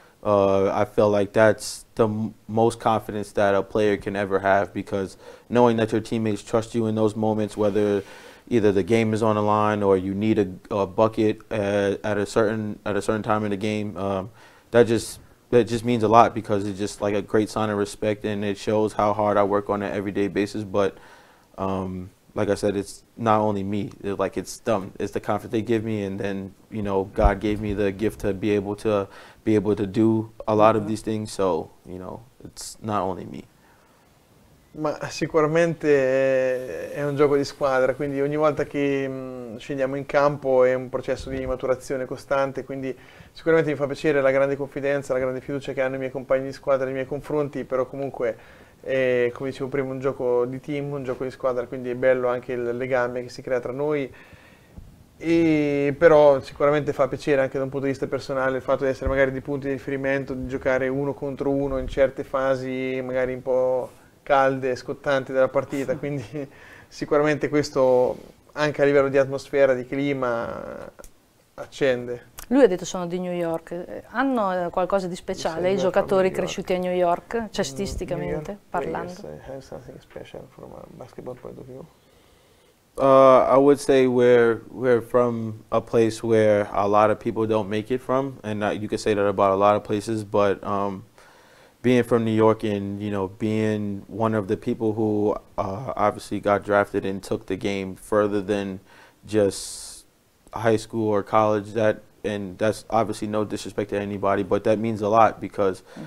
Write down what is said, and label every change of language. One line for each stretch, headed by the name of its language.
English: I feel like that's the most confidence that a player can ever have, because knowing that your teammates trust you in those moments, whether either the game is on the line or you need a bucket at a certain time in the game, that just means a lot, because it's just like a great sign of respect, and it shows how hard I work on an everyday basis. But like I said, it's not only me, it's the confidence they give me, and then, you know, God gave me the gift to be able to do a lot of these things, so, you know, it's not only me.
Italian: Ma sicuramente è un gioco di squadra, quindi ogni volta che scendiamo in campo è un processo di maturazione costante, quindi sicuramente mi fa piacere la grande confidenza, la grande fiducia che hanno i miei compagni di squadra nei miei confronti, però comunque è, come dicevo prima, un gioco di team, un gioco di squadra, quindi è bello anche il legame che si crea tra noi. E però sicuramente fa piacere anche da un punto di vista personale il fatto di essere magari di punti di riferimento, di giocare uno contro uno in certe fasi magari un po' calde e scottanti della partita, quindi sicuramente questo anche a livello di atmosfera, di clima, accende. Lui ha detto sono di New York, hanno qualcosa di speciale i giocatori cresciuti a New York, cestisticamente parlando?
English: Has something special from a basketball point of view? I would say we're from a place where a lot of people don't make it from, and you could say that about a lot of places, but being from New York and, you know, being one of the people who obviously got drafted and took the game further than just high school or college, that, and that's obviously no disrespect to anybody, but that means a lot, because